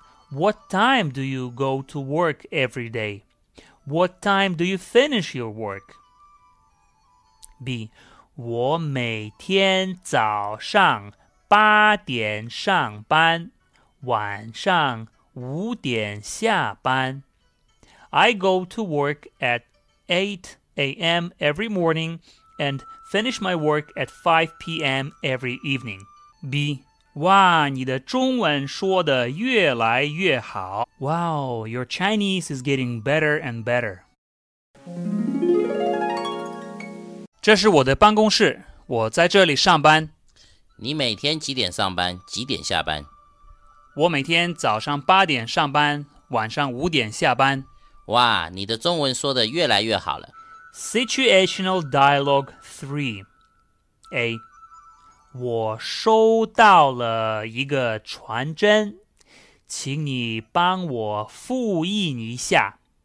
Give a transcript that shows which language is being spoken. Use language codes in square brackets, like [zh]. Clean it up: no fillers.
[en] What time do you go to work every day? What time do you finish your work? B. [zh] 我每天早上八点上班,晚上五点下班。 [en] I go to work at 8 a.m. every morning and finish my work at 5 p.m. every evening. B. [zh] 哇,你的中文说得越来越好。 [en] Wow, your Chinese is getting better and better. [zh] 这是我的办公室,我在这里上班。你每天几点上班,几点下班? 我每天早上八点上班,晚上五点下班。哇，你的中文说得越来越好了。 [en] Situational Dialogue 3 A [zh] 我收到了一个传真，请你帮我复印一下。